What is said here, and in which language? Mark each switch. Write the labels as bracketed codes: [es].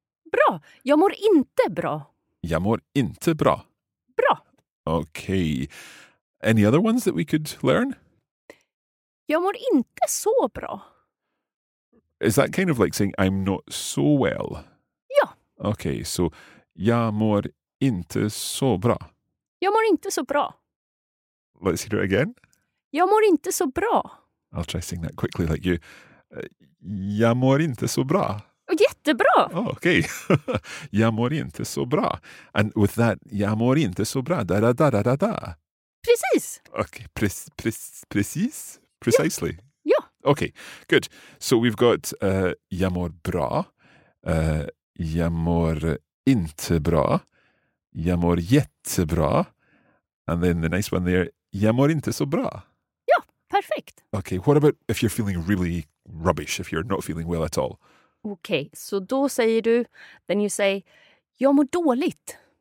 [sv] Bra. Jag mår inte bra. Jag mår inte bra. Bra. [en] Okay. Any other ones that we could learn? [sv] Jag mår inte så bra. [en] Is that kind of like saying, I'm not so well? Okay, so [sv] jag mår inte så bra. Jag mår inte så bra. [en] Let's hear it again. [sv] Jag mår inte så bra. [en] I'll try saying that quickly like you. [sv] Jag mår inte så bra. Jättebra. [en] Oh, okay. [sv] Jag mår inte så bra. [en] And with that, [sv] jag mår inte så bra. Da da da da da da. Precis. [en] Okay, precis. Precisely. [sv] Ja. [en] Okay, good. So we've got [sv] jag mår bra. Jag mår inte bra. Jag mår jättebra. [en] And then the nice one there, [sv] jag mår inte så bra. Ja, perfekt. [en] Okay, what about if you're feeling really rubbish, if you're not feeling well at all? [sv] Okay, så då säger du, [en] then you say, [sv] jag mår dåligt.